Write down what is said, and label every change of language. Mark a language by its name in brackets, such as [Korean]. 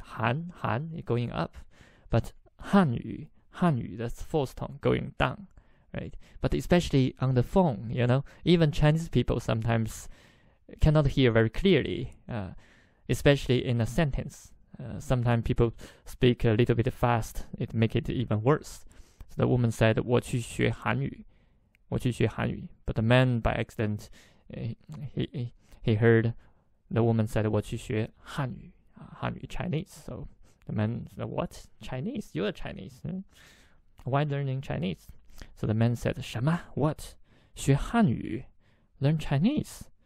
[English] 韩，韩 going up, but 韩语，韩语 that's fourth tone going down. Right. But especially on the phone, you know, even Chinese people sometimes cannot hear very clearly, especially in a sentence. Sometimes people speak a little bit fast, it makes it even worse. So the woman said, [Chinese] 我去学韩语, 我去学韩语. [English] But the man by accident, he heard the woman said, [Chinese] 我去学韩语, 韩语, [English] Chinese. So the man said, what? Chinese? You're Chinese. Why learning Chinese? So the man said, [Chinese] 什么? [English] What? [Chinese] 学汉语? [English] Learn Chinese?